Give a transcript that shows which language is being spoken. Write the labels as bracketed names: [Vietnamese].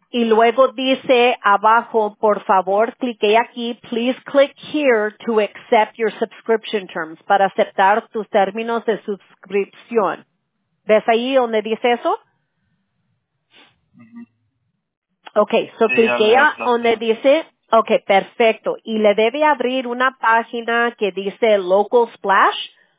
[Spanish] Y luego dice abajo, por favor, clique aquí. [English] Please click here to accept your subscription terms. [Spanish] Para aceptar tus términos de suscripción. ¿Ves ahí donde dice eso? Mm-hmm. Okay, so sí, clique donde dice. Okay, perfecto. Y le debe abrir una página que dice Local Splash.